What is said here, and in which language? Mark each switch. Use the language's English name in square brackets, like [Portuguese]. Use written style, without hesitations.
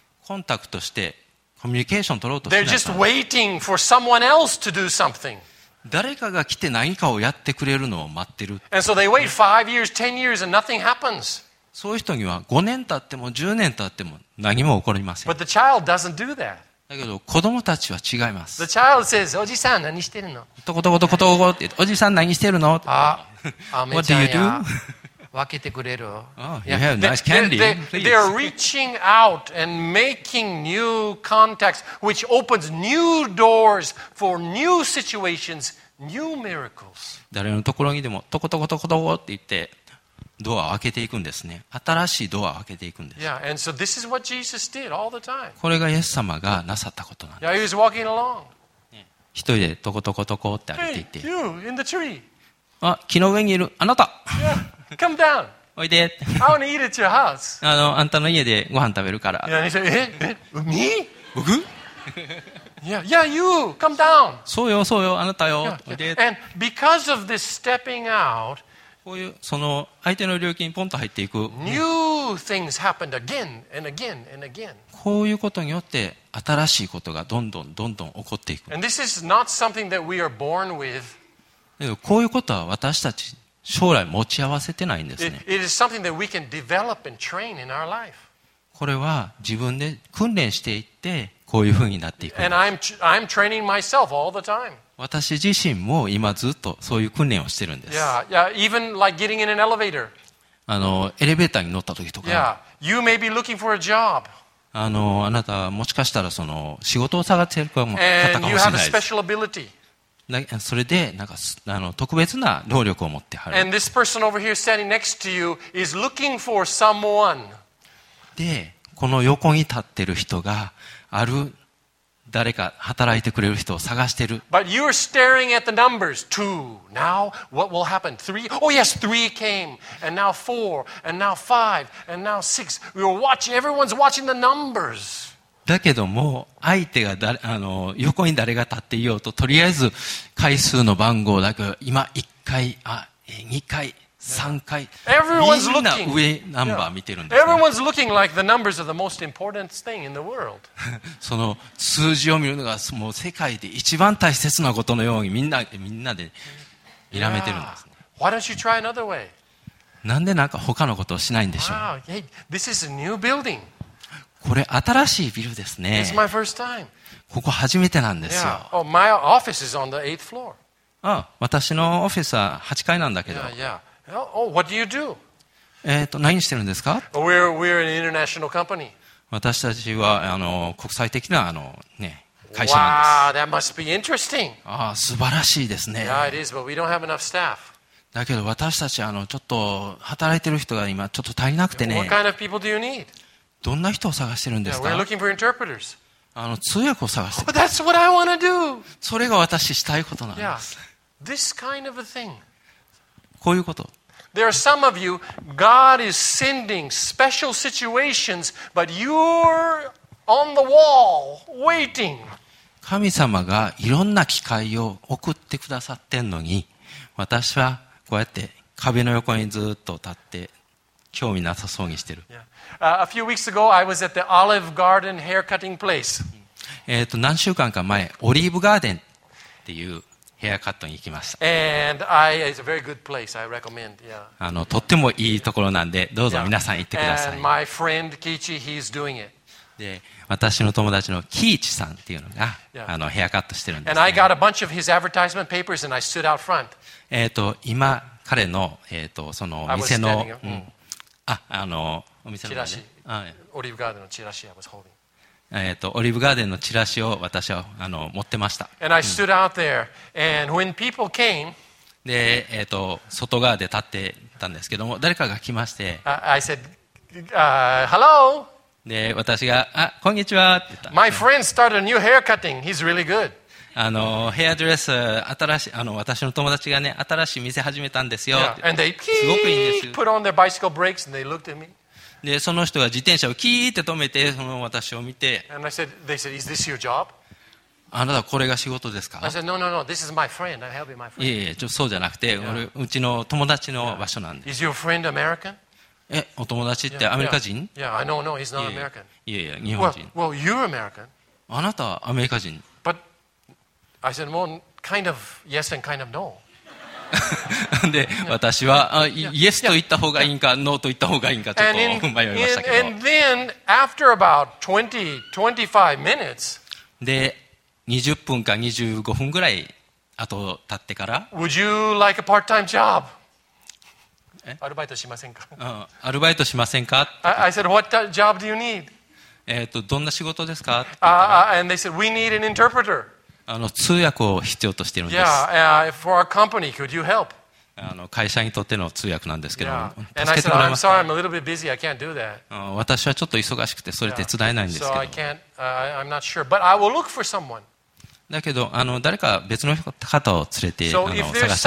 [Japanese] コンタクトしてコミュニケーション取ろうとしないから。 [English] They're just waiting for someone else to do something. [Japanese] 誰かが来て何かをやってくれるのを待ってる。 [English] And so they wait 5 years, 10 years, and nothing happens. [Japanese] そういう人には5年経っても10年経っても何も起こりません。 [English] But the child doesn't do that. [Japanese] だけど子供たちは違います。 [English] The child says, [Japanese] おじさん何してるの？トコトコトコトコって、おじさん何してるの？あ、アメちゃんや。分けてくれる。 [English] Oh, you have nice candy. They are reaching out and making new contacts, which opens new doors for new situations, new miracles. [Japanese] 誰のところにでもトコトコトコトコって言ってドアを開けていくんですね。新しいドアを開けていくんです。 [English] Yeah, and so this is what Jesus did all the time. [Japanese] これがイエス様がなさったことなんです。 [English] Yeah, he was walking along. [Japanese] 一人でトコトコトコって歩いていて。 [English] Hey, you in the tree. [Japanese] あ、木の上にいるあなた。 [English] Yeah. Come down. [Japanese] おいで。 [English] I want to eat at your house. [Japanese] あの、あんたの家でご飯食べるから。 [English] Yeah, he said, え、me? [Japanese] 僕？ [English] Yeah, yeah, you. Come down. [Japanese] そうよ、そうよ、あなたよ。 [English] Yeah, yeah. [Japanese] おいで。 [English] And because of this stepping out, [Japanese] こういうその相手の領域にポンと入っていく。 [English] New things happened again and again and again. [Japanese] こういうことによって新しいことがどんどんどんどん起こっていく。 [English] And this is not something that we are born with. [Japanese] こういうことは私たち。将来持ち合わせてないんですね。 [English] It is something that we can develop and train in our life. [Japanese] これは自分で訓練していってこういうふうになっていくんです。 [English] And I'm training myself all the time. [Japanese] 私自身も今ずっとそういう訓練をしてるんです。 [English] Yeah, yeah, even like getting in an elevator. [Japanese] あのエレベーターに乗った時とか。 [English] Yeah, you may be looking for a job. [Japanese] あのあなたもしかしたらその仕事を探しているかも、方かもしれないです。 [English] And you have a special [Japanese] それでなんかあの特別な能力を持ってはる。 [English] And this person over here standing next to you is looking for someone. [Japanese] で、この横に立ってる人がある誰か働いてくれる人を探してる。 [English] But you are staring at the numbers. Two. Now, what will happen? Three. Oh yes, three came. And now four. And now five. And now six. We are watching. Everyone's watching the numbers. [Japanese] だけども相手が誰あの横に誰が立っていようととりあえず回数の番号だけ今1回あ2回3回、 [English] Everyone's、 [Japanese] みんな上ナンバー見てるんです、 [English] ね、Everyone's looking like the numbers are the most important thing in the world. [Japanese] その数字を見るのがもう世界で一番大切なことのようにみんなで睨めてるんです、ね [English] yeah. Why don't you try another way? [Japanese] なんでなんか他のことをしないんでしょう。 [English] Wow. Hey, this is a new building [Japanese] これ新しいビルですね。 [English] It's my first time. [Japanese] ここ初めてなんですよ。 [English] Yeah. Oh, my office is on the 8th floor. [Japanese] ああ私のオフィスは8階なんだけど。 [English] Yeah, yeah. Oh, what do you do? [Japanese] 何してるんですか？ [English] We're an international company. [Japanese] 私たちはあの国際的なあの、ね、会社なんです。 [English] Wow, that must be interesting. [Japanese] ああ素晴らしいですね。 [English] Yeah, it is, but we don't have enough staff. [Japanese] だけど私たちあのちょっと働いてる人が今ちょっと足りなくてね。 [English] What kind of people do you need? [Japanese] どんな人を探してるんですか？ [English] We're looking for interpreters. [Japanese] あの通訳を探してる。 [English] Oh, that's what I want to do. [Japanese] それが私したいことなんです。 [English] Yeah. This kind of a thing. [Japanese] こういうこと。 [English] There are some of you, God is sending special situations, but you're on the wall, waiting. [Japanese] 神様がいろんな機会を送ってくださってんのに、私はこうやって壁の横にずっと立って、興味なさそうにしてる。 [English] Yeah. A few weeks ago, I was at the Olive Garden haircutting place. [Japanese] 何週間か前、オリーブガーデンっていうヘアカットに行きました。 [English] And I, it's a very good place. I recommend. Yeah. [Japanese] あのとってもいいところなんで、どうぞ皆さん行ってください。 [English] And my friend Kichi, he's doing it. [Japanese] で、私の友達のキイチさんっていうのが、yeah. あのヘアカットしてるんです、ね。 [English] And I got a bunch of his advertisement papers, and I stood out front. [Japanese] 今彼のその店の、うん、ああの。お店のチラシ、オリーブガーデンのチラシ、 [English] I was holding. [Japanese] オリーブガーデンのチラシを私はあの持ってました。 [English] And I stood out there. And when people came, [Japanese] で外側で立ってたんですけども、誰かが来まして、 [English] I said, hello. [Japanese] で私が、あ、こんにちはって言った。 [English] My friend started a new haircutting. He's really good. [Japanese] あのヘアドレス新しいあの私の友達がね新しい店始めたんですよ。 [English] Yeah. And they [Japanese] すごくいいんです。 [English] Put on their bicycle brakes and they looked at me. [Japanese] でその人が自転車をキーって止めてその私を見て [English] And I said, they said, Is this your job? [Japanese] あなたこれが仕事ですか？ [English] I said, no, no, no, this is my friend. I'm helping my friend. [Japanese] いやいやそうじゃなくて、yeah. 俺うちの友達の場所なんで、 [English] yeah. Is your friend American? [Japanese] え、お友達ってアメリカ人？ [English] Yeah, I know, no, he's not American. [Japanese] いやいや、日本人。 [English] Well, you're American. [Japanese] あなたアメリカ人。 [English] But I said, well, kind of yes and kind of no. [Japanese] で私は yeah. イエスと言った方がいいか、yeah. ノーと言った方がいいかちょっと迷いましたけど。 [English] And then after about 20-25 minutes. [Japanese] で20分か25分ぐらい後経ってから。 [English] Would you like a part-time job? [Japanese] アルバイトしませんか。アルバイトしませんか。 [English] I said, what job do you need? [Japanese] どんな仕事ですか。 [English] And they said, we need an interpreter. [Japanese] 通訳を必要としているんです。 [English] Yeah, for our company, could you help? [Japanese] 会社にとっての通訳なんですけども、 yeah. 助けてもらえますか。 [English] And I said, I'm sorry, I'm a little bit busy. I can't do that. [Japanese] 私はちょっと忙しくてそれ手伝えないんですけど。 [English] So I can't. I'm not sure, but I will look for someone. [Japanese] だけど誰か別の方を連れて探したいと思います。